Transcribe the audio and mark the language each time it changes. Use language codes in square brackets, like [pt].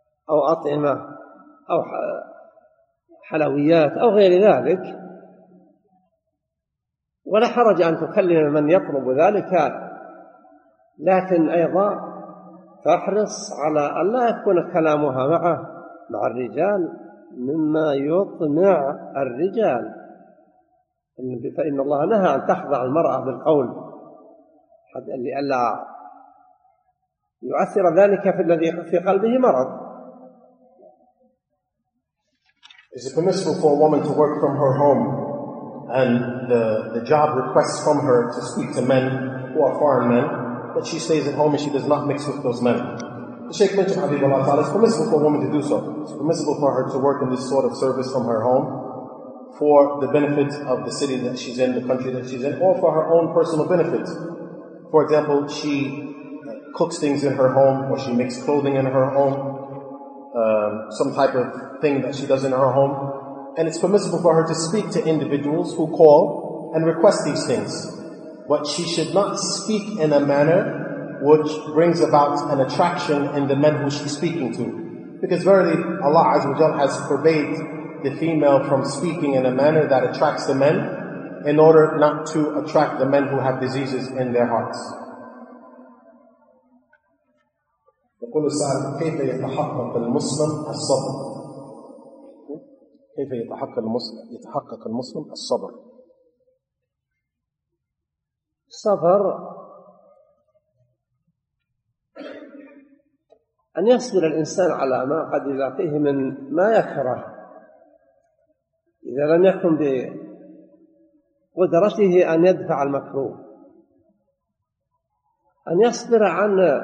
[ar] أو أطعمة أو حلويات أو غير ذلك، ولا حرج أن تكلم من يطلب ذلك، لكن أيضا فاحرص على أن لا يكون كلامها معه مع الرجال مما يطمع الرجال، فإن الله نهى أن تخضع المرأة بالقول لئلا يؤثر ذلك في الذي في قلبه مرض. [en] Is it permissible for a woman to work from her home and the job requests from her to speak to men who are foreign men, but she stays at home and she does not mix with those men? The Sheikh mentioned, Habibullah Ta'ala, it's permissible for a woman to do so. It's permissible for her to work in this sort of service from her home for the benefit of the city that she's in, the country that she's in, or for her own personal benefits. For example, she cooks things in her home, or she makes clothing in her home, some type of thing that she does in her home. And it's permissible for her to speak to individuals who call and request these things. But she should not speak in a manner which brings about an attraction in the men who she's speaking to. Because verily, Allah Azza wa Jal has forbade the female from speaking in a manner that attracts the men, in order not to attract the men who have diseases in their hearts. [ar] يقول السائل كيف يتحقق المسلم الصبر؟ كيف يتحقق المسلم الصبر؟ الصبر أن يصبر الإنسان على ما قد يلاقيه من ما يكره، إذا لم يكن بقدرته أن يدفع المكروه، أن يصبر عن